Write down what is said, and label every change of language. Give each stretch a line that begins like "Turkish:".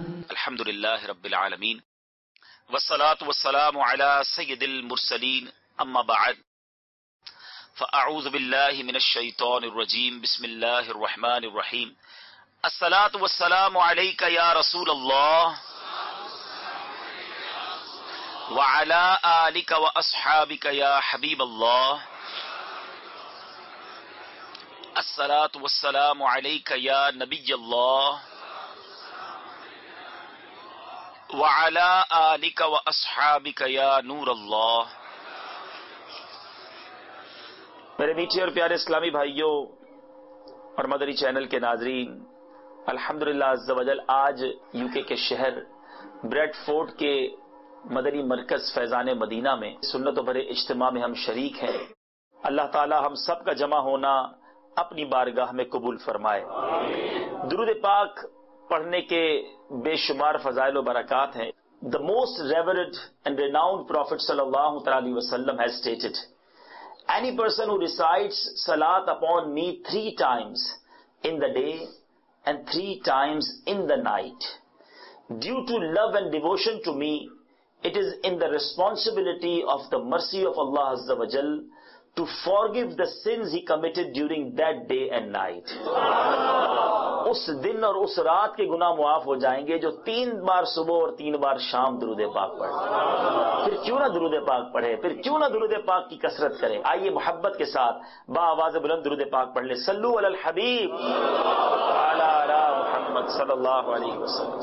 Arabic: الحمد لله رب العالمين والصلاة والسلام على سيد المرسلين اما بعد فاعوذ بالله من الشيطان الرجيم بسم الله الرحمن الرحيم الصلاة والسلام عليك يا رسول الله وعلى آلك واصحابك يا حبيب الله الصلاة والسلام عليك يا نبي الله وعلى آلك واصحابك يا نور الله.
Urdu: میرے میٹھے اور پیارے اسلامی بھائیوں اور مدری چینل کے ناظرین، الحمدللہ عزوجل آج یو کے شہر بریڈ فورٹ کے مدنی مرکز فیضان مدینہ میں سنت و بھرے اجتماع میں ہم شریک ہیں. اللہ تعالی ہم سب کا جمع ہونا اپنی بارگاہ میں قبول فرمائے. آمین. درود پاک پڑھنے کے بے شمار فضائل و برکات ہیں.
English: The most revered and renowned Prophet صلی اللہ علیہ وسلم has stated, any person who recites salat upon me three times in the day and three times in the night due to love and devotion to me, it is in the responsibility of the mercy of Allah Azza wa Jal to forgive the sins he committed during that day and night.
Urdu: اس دن اور اس رات کے گناہ معاف ہو جائیں گے جو تین بار صبح اور تین بار شام درود پاک پڑھے. پھر کیوں نہ درود پاک پڑھے، پھر کیوں نہ درود پاک کی کثرت کرے. آئیے محبت کے ساتھ با آواز بلند درود پاک پڑھ لیں.
Arabic: صلوا علی الحبیب علی آل محمد صلی اللہ علیہ وسلم.